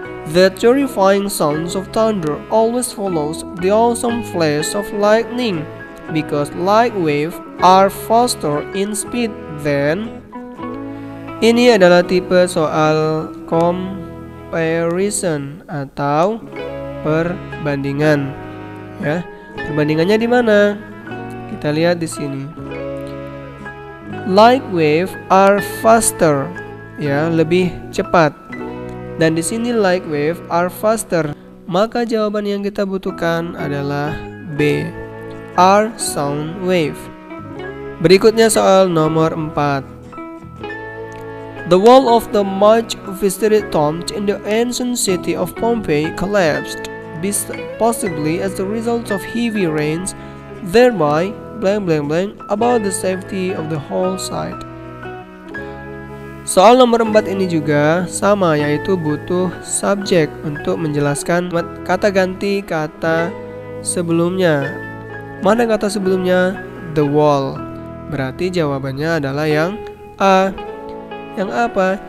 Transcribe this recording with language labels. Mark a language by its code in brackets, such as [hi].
[en] The terrifying sounds of thunder always follows the awesome flash of lightning because light waves are faster in speed than. [id] Ini adalah tipe soal comparison atau perbandingan. Ya, perbandingannya di mana? Kita lihat di sini. [en] Light waves are faster, [id] ya, lebih cepat. Dan di sini [en] light waves are faster. [id] Maka jawaban yang kita butuhkan adalah B, [en] are sound wave. [id] Berikutnya soal nomor 4. [en] The wall of the much visited tomb in the ancient city of Pompeii collapsed, possibly as a result of heavy rains, thereby blank blank blank about the safety of the whole site. [id] Soal nomor 4 ini juga sama, yaitu butuh subject untuk menjelaskan kata ganti kata sebelumnya. Mana kata sebelumnya? The wall. Berarti jawabannya adalah yang A. Yang apa?